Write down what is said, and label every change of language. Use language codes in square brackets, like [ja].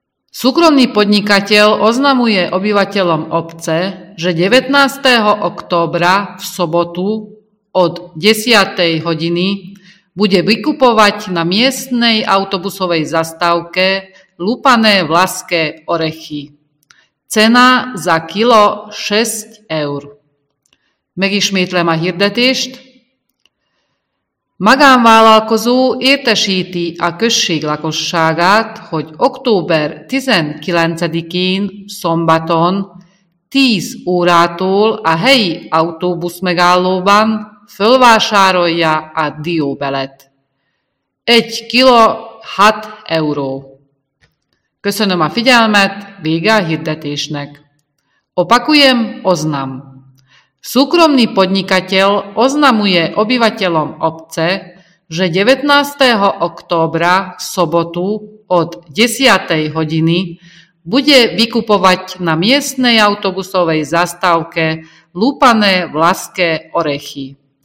[sk] Súkromný podnikateľ oznamuje obyvateľom obce, že 19. októbra v sobotu od 10. hodiny bude vykupovať na miestnej autobusovej zastávke lupané vlaské orechy. Cena za kilo 6 eur. [hu] Megismétlem a hirdetést. Magánvállalkozó értesíti a község lakosságát, hogy október 19-én szombaton 10 órától a helyi autóbusz megállóban fölvásárolja a dióbelet. 1 kilo 6 euró. Köszönöm a figyelmet, vége a hirdetésnek. [sk] Opakujem, oznam. Súkromný podnikateľ oznamuje obyvateľom obce, že 19. októbra v sobotu od 10. hodiny bude vykupovať na miestnej autobusovej zastávke lúpané vlaské orechy.